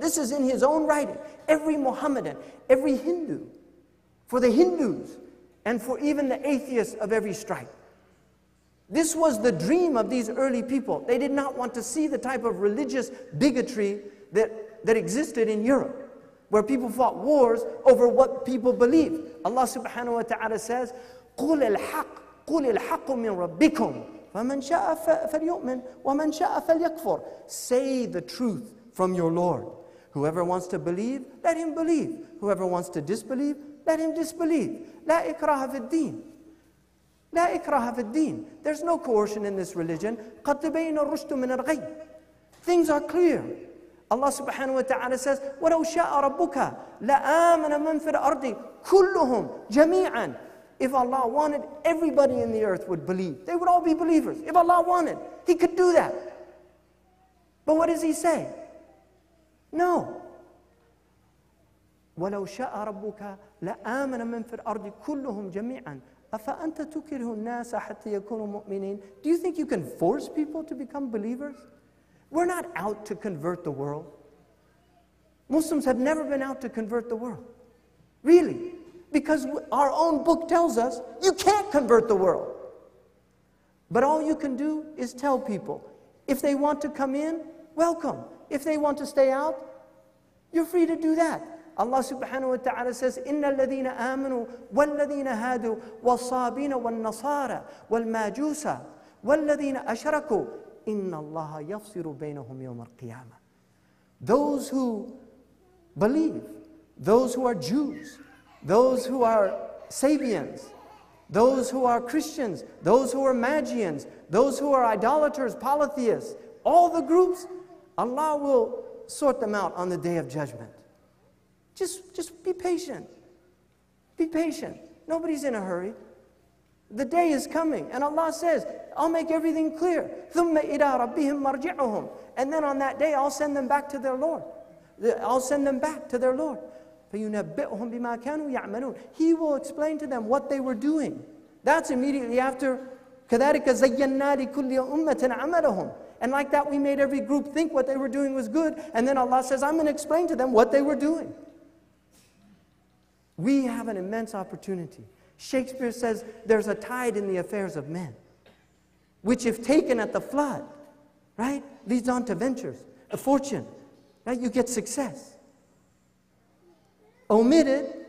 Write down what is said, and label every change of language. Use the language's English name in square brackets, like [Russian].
[English] This is in his own writing. Every Mohammedan, every Hindu, for the Hindus, and for even the atheists of every stripe. This was the dream of these early people. They did not want to see the type of religious bigotry that existed in Europe, where people fought wars over what people believed. Allah subhanahu wa ta'ala says, [Arabic] قُلِ الْحَقِّ قُلِ الْحَقُّ مِنْ رَبِّكُمْ فَمَنْ شَاءَ فَلْيُؤْمِنْ وَمَنْ شَاءَ فَلْيَكْفُرْ. [English] Say the truth from your Lord. Whoever wants to believe, let him believe. Whoever wants to disbelieve, let him disbelieve. [Arabic] لا إكراه في الدين. لا إكراه في الدين. [English] There's no coercion in this religion. [Arabic] قَدْ تَبَيْنَ الرُّشْدُ مِنَ الْغَيِّ. [English] Things are clear. Allah subhanahu wa ta'ala says, [Arabic] وَلَوْ شَاءَ رَبُّكَ لَآمَنَ مَنْ فِي الْأَرْضِ كُلُّهُمْ جَمِيعًا. [English] If Allah wanted, everybody in the earth would believe. They would all be believers. If Allah wanted, He could do that. But what does He say? No. [Arabic] وَلَوْ شَاءَ رَبُّكَ لَآمَنَ مَنْ فِي الْأَرْضِ كُلُّهُمْ جَمِيعًا أَفَأَنْتَ تُكِرْهُ النَّاسَ حَتَّى يَكُونُوا مُؤْمِنِينَ. [English] Do you think you can force people to become believers? We're not out to convert the world. Muslims have never been out to convert the world. Really. Because our own book tells us, you can't convert the world. But all you can do is tell people. If they want to come in, welcome. If they want to stay out, you're free to do that. Allah subhanahu wa ta'ala says, [Arabic] إِنَّ الَّذِينَ آمَنُوا وَالَّذِينَ هَادُوا وَالصَّابِينَ وَالنَّصَارَ وَالْمَاجُوسَ وَالَّذِينَ أَشْرَكُوا إِنَّ اللَّهَ يَفْصِرُ بَيْنَهُمْ يَوْمَ الْقِيَامَةِ. [English] Those who believe, those who are Jews, those who are Sabians, those who are Christians, those who are Magians, those who are idolaters, polytheists, all the groups, Allah will sort them out on the Day of Judgment. Just be patient. Be patient. Nobody's in a hurry. The day is coming. And Allah says, I'll make everything clear. [Arabic] ثُمَّ إِلَىٰ رَبِّهِمْ مَرْجِعُهُمْ. [English] And then on that day, I'll send them back to their Lord. I'll send them back to their Lord. [Arabic] فَيُنَبِّئُهُمْ بِمَا كَانُوا يَعْمَلُونَ. [English] He will explain to them what they were doing. That's immediately after, [Arabic] كَذَٰرِكَ زَيَّنَّا لِكُلِّ أُمَّةٍ عَمَلَهُمْ. [English] And like that, we made every group think what they were doing was good. And then Allah says, I'm going to explain to them what they were doing. We have an immense opportunity. Shakespeare says, there's a tide in the affairs of men, which if taken at the flood, right, leads on to ventures, a fortune, right? You get success. Omitted,